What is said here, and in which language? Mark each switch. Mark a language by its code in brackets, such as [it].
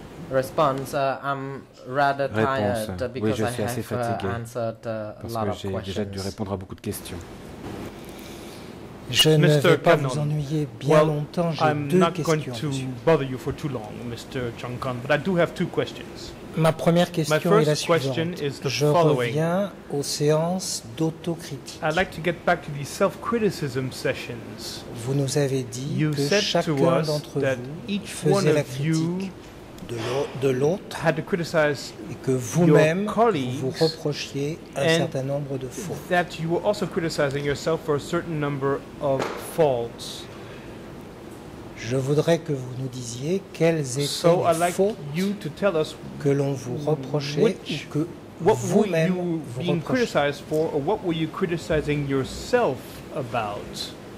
[en] Response, I'm rather tired because I have answered a lot of questions. [fr] Je ne vais pas vous ennuyer bien longtemps, j'ai deux questions. [en] I'm not going to bother you for too long, Mr. Chang Kong, but I do have two questions. [fr] Ma première question est la suivante. Je reviens aux séances d'autocritique. [en] I'd like to get back to the self-criticism sessions. [fr] Vous nous avez dit que chacun d'entre vous faisait la critique de l'autre et que vous-même vous reprochiez un certain nombre de fautes. [en] That you were also criticizing yourself for a certain number of faults. [fr] Je voudrais que vous nous disiez quelles étaient les fautes que l'on vous reprochait ou que vous-même vous [en] criticized for or what were you criticizing yourself about.